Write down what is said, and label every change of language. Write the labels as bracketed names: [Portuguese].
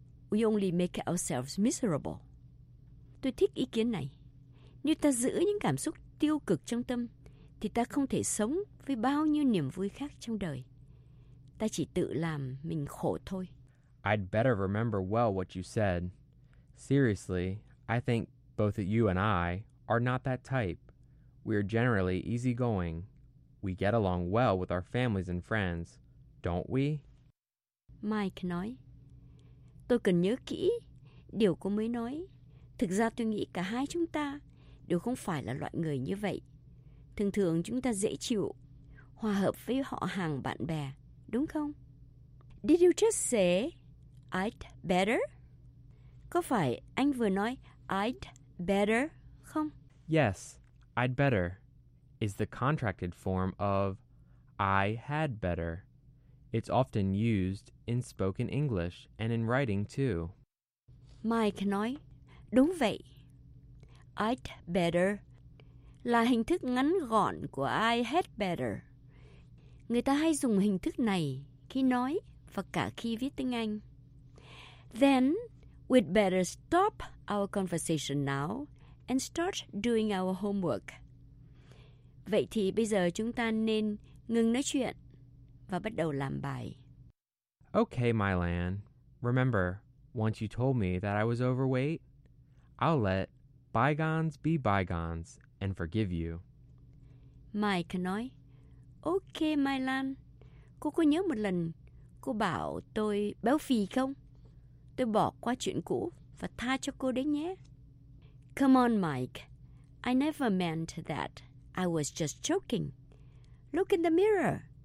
[English] We only make ourselves miserable. [Vietnamese] Tôi thích ý kiến này. Nếu ta giữ những cảm xúc tiêu cực trong tâm, thì ta không thể sống với bao nhiêu niềm vui khác trong đời. Ta chỉ tự làm mình khổ thôi. [English] I'd better remember well what you said. Seriously, I think both you and I are not that type. We are generally easygoing. We get along well with our families and friends, don't we? [Vietnamese] Mike nói, tôi cần nhớ kỹ điều cô mới nói. Thực ra tôi nghĩ cả hai chúng ta đều không phải là loại người như vậy. Thường thường chúng ta dễ chịu, hòa hợp với họ hàng bạn bè, đúng không? [English] Did you just say I'd better? [Vietnamese] Có phải anh vừa nói I'd better không? [English] Yes, I'd better is the contracted form of I had better. It's often used in spoken English and in writing too. [Vietnamese] Mike nói, đúng vậy. I'd better là hình thức ngắn gọn của I had better. Người ta hay dùng hình thức này khi nói và cả khi viết tiếng Anh. [English] Then we'd better stop our conversation now and start doing our homework. [Vietnamese] Vậy thì bây giờ chúng ta nên ngừng nói chuyện và bắt đầu làm bài. [English] Okay, Mylan. Remember, once you told me that I was overweight, I'll let bygones be bygones and forgive you. [Vietnamese] Mike nói, okay, Mylan. Cô có nhớ một lần cô bảo tôi béo phì không? Tôi bỏ qua chuyện cũ và tha cho cô đấy nhé. [English] Come on, Mike. I never meant that. I was just joking. Look in the mirror.